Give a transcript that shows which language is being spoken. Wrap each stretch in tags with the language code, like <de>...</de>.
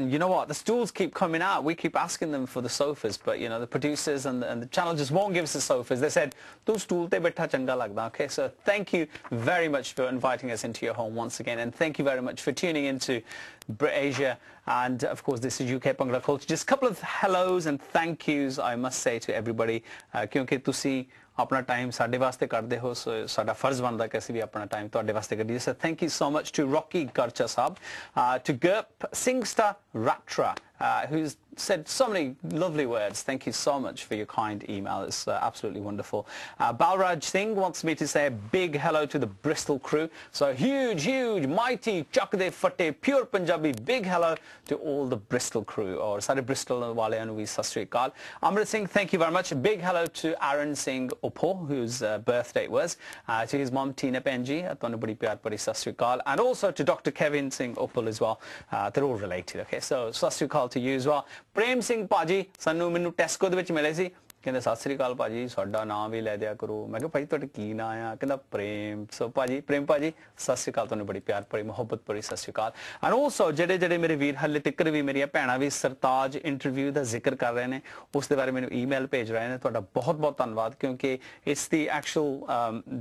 <en>And you know what? The stools keep coming out. We keep asking them for the sofas, but you know, the producers and the channel just won't give us the sofas. They said,</en> <pa>"Tu stool te bitha changa lagda."</pa> <en>Okay, so thank you very much for inviting us into your home once again. And thank you very much for tuning into BritAsia. And of course, this is UK Bhangra Culture. Just a couple of hellos and thank yous, I must say, to everybody.</en> <pa>Kyunki tusi ਆਪਣਾ time ਸਾਡੇ ਵਾਸਤੇ ਕਰਦੇ ਹੋ ਸੋ ਸਾਡਾ ਫਰਜ਼ ਬਣਦਾ ਕਿ ਅਸੀਂ ਵੀ ਆਪਣਾ ਟਾਈਮ ਤੁਹਾਡੇ ਵਾਸਤੇ ਕਰੀਏ</pa> <en>so thank you so much to</en> <pa>Rocky Garcha Sahib to ਗਰਪ ਸਿੰਗਸਟਰ ਰਾਟਰਾ</pa> <en>who's said so many lovely words. Thank you so much for your kind email. It's absolutely wonderful. Balraj Singh wants me to say a big hello to the Bristol crew. So huge, huge, mighty, chakde fate, pure Punjabi, big hello to all the Bristol crew.</en> <pa>Or sare Bristol wale anu vi sat sri akaal. Amrit Singh,</pa> <en>thank you very much. Big hello to Aaron Singh Oppo, whose birthday it was. To his mom, Tina Benji,</en> <pa>atonu badi pyar padi sat sri akaal.</pa> <en>And also to Dr. Kevin Singh Oppo as well. They're all related, okay? So sat sri akaal to you as well.</en> <pa>Prem Singh ਭਾਜੀ ਸਾਨੂੰ ਮੈਨੂੰ Tesco ਦੇ ਵਿੱਚ ਮਿਲੇ ਸੀ ਕਹਿੰਦੇ ਸਤਿ ਸ੍ਰੀ ਅਕਾਲ ਭਾਜੀ ਸਾਡਾ ਨਾਮ ਵੀ ਲੈ ਦਿਆ ਕਰੋ ਮੈਂ ਕਿਹਾ ਭਾਜੀ ਤੁਹਾਡੇ ਕੀ ਨਾਂ ਆ ਕਹਿੰਦਾ ਪ੍ਰੇਮ ਸੋ ਭਾਜੀ ਪ੍ਰੇਮ ਭਾਜੀ ਸਤਿ ਸ੍ਰੀ ਅਕਾਲ ਤੁਹਾਨੂੰ ਬੜੀ ਪਿਆਰ ਭਰੀ ਮੁਹੱਬਤ ਭਰੀ ਸਤਿ ਸ੍ਰੀ ਅਕਾਲ</pa> <en>and also</en> <pa>ਜਿਹੜੇ ਜਿਹੜੇ ਮੇਰੇ ਵੀਰ ਹਾਲੇ ਤੱਕ ਵੀ ਮੇਰੀਆਂ ਭੈਣਾਂ ਵੀ ਸਰਤਾਜ ਇੰਟਰਵਿਊ ਦਾ ਜ਼ਿਕਰ ਕਰ ਰਹੇ ਨੇ ਉਸ ਦੇ ਬਾਰੇ ਮੈਨੂੰ ਈਮੇਲ ਭੇਜ ਰਹੇ ਨੇ ਤੁਹਾਡਾ ਬਹੁਤ ਬਹੁਤ ਧੰਨਵਾਦ ਕਿਉਂਕਿ</pa> <en>it's the actual</en>